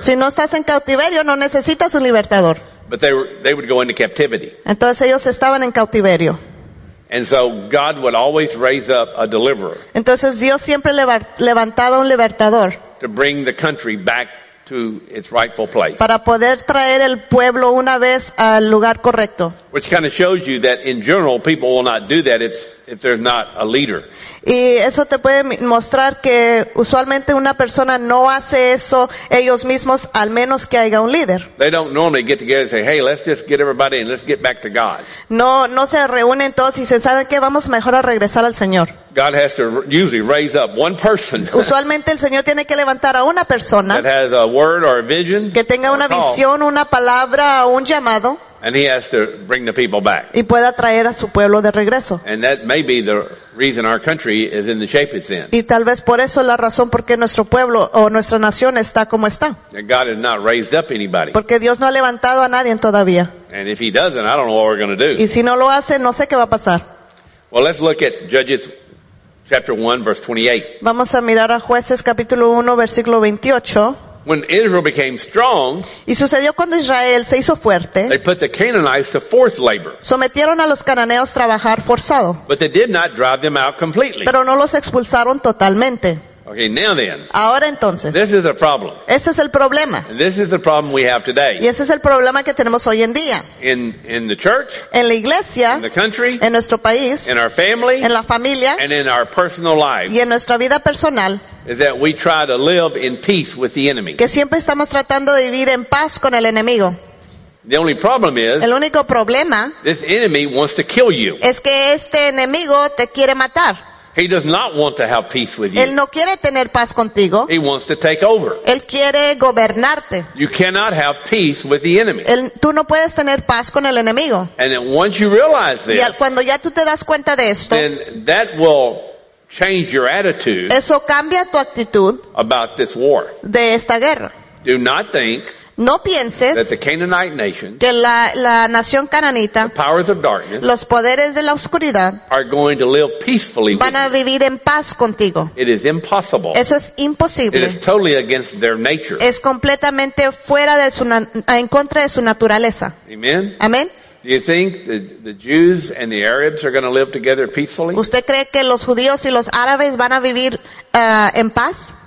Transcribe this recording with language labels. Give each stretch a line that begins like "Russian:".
Spanish: Si no estás en cautiverio, no necesitas un libertador.
English: But they would go into captivity.
Spanish: Entonces ellos estaban en cautiverio.
English: And so God would always raise up a deliverer.
Spanish: Entonces Dios siempre levantaba un libertador.
English: To bring the country back to its rightful place.
Spanish: Para poder traer el pueblo una vez al lugar correcto.
English: Which kind of shows you that in general people will not do that if there's not a leader.
Spanish: Y eso te puede mostrar que usualmente una persona no hace eso ellos mismos al menos que haya un líder.
English: They don't normally get together and say, "Hey, let's just get everybody and let's get back to God."
Spanish: No se reúnen todos y se saben que vamos mejor a regresar al Señor.
English: God has to usually raise up one person.
Spanish: Usualmente el Señor tiene que levantar a una persona.
English: That has a word or a vision.
Spanish: Que tenga una visión, una palabra, un llamado.
English: And he has to bring the people back.
Spanish: Y pueda traer a su pueblo de regreso.
English: And that may be the reason our country is in the shape it's in.
Spanish: Y tal vez por eso la razón por qué nuestro pueblo o nuestra nación está como está.
English: And God has not raised up anybody.
Spanish: Porque Dios no ha levantado a nadie todavía.
English: And if he doesn't, I don't know what we're going to do.
Spanish: Y si no lo hace, no sé qué va a pasar.
English: Well, let's look at Judges chapter 1, verse 28.
Spanish: Vamos a mirar a Jueces capítulo 1, versículo 28.
English: When Israel became strong,
Spanish: y sucedió cuando Israel se hizo fuerte,
English: they put the Canaanites to forced labor.
Spanish: Sometieron a los cananeos trabajar forzado.
English: But they did not drive them out completely.
Spanish: Pero no los expulsaron totalmente.
English: Okay, now then.
Spanish: Ahora entonces.
English: This is a problem.
Spanish: Ese es el problema.
English: And this is the problem we have today.
Spanish: Y ese es el problema que tenemos hoy en día.
English: In the church.
Spanish: En la iglesia.
English: In the country.
Spanish: En nuestro país.
English: In our family.
Spanish: En la familia.
English: And in our personal lives.
Spanish: Y en nuestra vida personal.
English: Is that we try to live in peace with the enemy.
Spanish: Que siempre estamos tratando de vivir en paz con el enemigo.
English: The only problem is.
Spanish: El único problema.
English: This enemy wants to kill you.
Spanish: Es que este enemigo te quiere matar.
English: He does not want to have peace with you.
Spanish: Él no quiere tener paz contigo.
English: He wants to take over.
Spanish: Él quiere gobernarte.
English: You cannot have peace with the enemy.
Spanish: Tú no puedes tener paz con el enemigo.
English: And then once you realize this,
Spanish: y cuando ya tú te das cuenta de esto,
English: then that will change your attitude.
Spanish: Eso cambia tu actitud
English: about this war.
Spanish: De esta guerra.
English: Do not think.
Spanish: No pienses
English: that the Canaanite nation,
Spanish: que la nación cananita,
English: the powers of darkness,
Spanish: los poderes de la oscuridad,
English: are going to live peacefully
Spanish: van a vivir en paz contigo.
English: It is impossible.
Spanish: Eso es imposible.
English: It is totally against their nature.
Spanish: Es completamente fuera de su en contra de su naturaleza.
English: Amen.
Spanish: Amen.
English: Do you think the Jews and the Arabs are going to live together peacefully?
Spanish: ¿Usted cree que los judíos y los árabes van a vivir en paz?